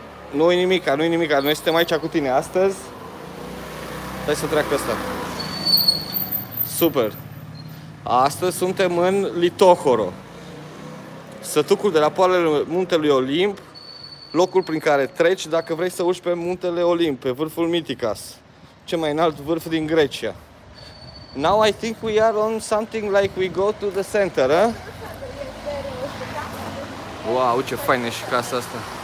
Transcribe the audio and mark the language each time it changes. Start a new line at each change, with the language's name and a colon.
Romanian: Nu-i nimica, nu-i nimica, noi suntem aici cu tine astăzi. Hai să treacă ăsta. Super! Astăzi suntem în Litohoro, sătucul de la poalele muntelui Olimp, locul prin care treci dacă vrei să urci pe muntele Olimp, pe vârful Mythikas, cel mai înalt vârf din Grecia.
English: Now I think we are on something like we go to the center, eh?
Romanian: Wow, ce faină și casa asta.